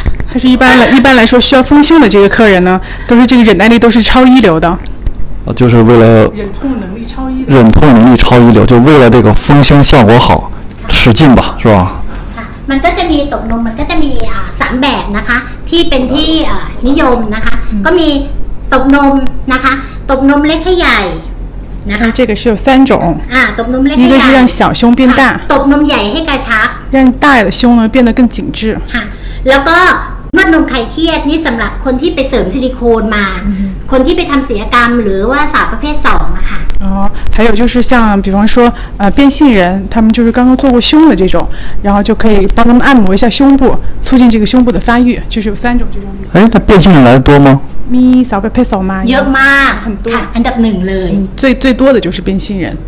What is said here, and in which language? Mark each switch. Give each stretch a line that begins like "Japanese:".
Chinese: 他是一般来说需要丰胸的这个客人呢都是这个忍耐力都是超一流的。就是为了忍痛能力超一流，就为了这个丰胸效果好使劲吧是吧。
Thai: มันก็จะมีตกนมมันก็จะมีสามแบบนะคะที่เป็นที่นิยมนะคะก็มีตกนมนะคะตกนมเล็กให้ใหญ่นะคะ
Chinese: 这个是有三种
Thai: ตกนมเล็ก ให้ใหญ่
Chinese: 一个是让小胸变大
Thai: ตกนมใหญ่ให้กระชับ
Chinese: 让大的胸呢变得更紧致
Thai: ค่ะแล้วก็นวดนมไข่เครียดนี่สำหรับคนที่ไปเสริมซิลิโคนมาคนที่ไปทำศัลยกรรมหรือว่าสาวประเภทสองค่ะ
Chinese: 还有就是像比方说变性人他们就是刚刚做过胸的这种，然后就可以帮他们按摩一下胸部促进这个胸部的发育，就是有三种这种。那变性人来的多吗？
Thai: มีสาวประเภทสองมา เยอะมาก ค่ ะอันดับหนึ่งเลย
Chinese: 最多的就是变性人